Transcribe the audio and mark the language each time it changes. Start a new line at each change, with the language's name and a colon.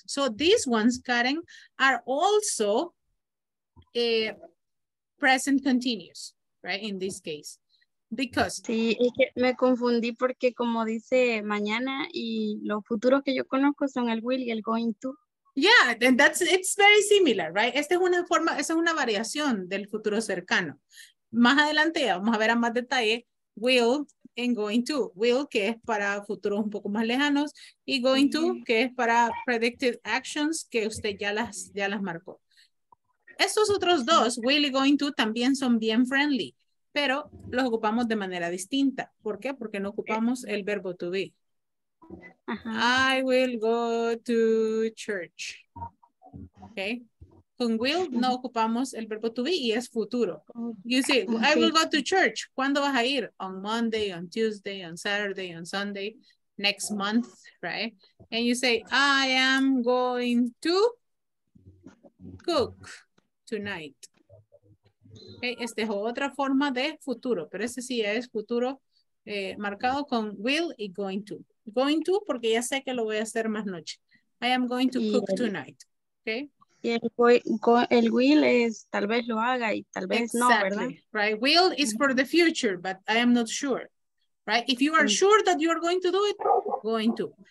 English: So these ones, Karen, are also present continuous. Right, in this case, because
Spanish: sí, es que me confundí porque como dice mañana y los futuros que yo conozco son el will y el going to.
English: Yeah, then that's it's very similar, right?
Spanish: Esta es una forma, esa es una variación del futuro cercano. Más adelante vamos a ver a más detalle will and going to. Will, que es para futuros un poco más lejanos, y going to, que es para predicted actions que usted ya las marcó. Estos otros dos, will y going to, también son bien friendly, pero los ocupamos de manera distinta. ¿Por qué? Porque no ocupamos el verbo to be. Uh-huh.
English: I will go to church. Okay.
Spanish: Con will no ocupamos el verbo to be y es futuro.
English: You see, I will go to church.
Spanish: ¿Cuándo vas a ir?
English: On Monday, on Tuesday, on Saturday, on Sunday, next month, right? And you say, I am going to cook tonight.
Spanish: Okay, este es otra forma de futuro, pero ese sí es futuro marcado con will y going to. Going to porque ya sé que lo voy a hacer más noche.
English: I am going to cook tonight. Okay.
Spanish: Y el will es tal vez lo haga y tal vez
English: exactly,
Spanish: no, ¿verdad?
English: Right. Will is for the future, but I am not sure. Right. If you are sure that you are going to do it, going to.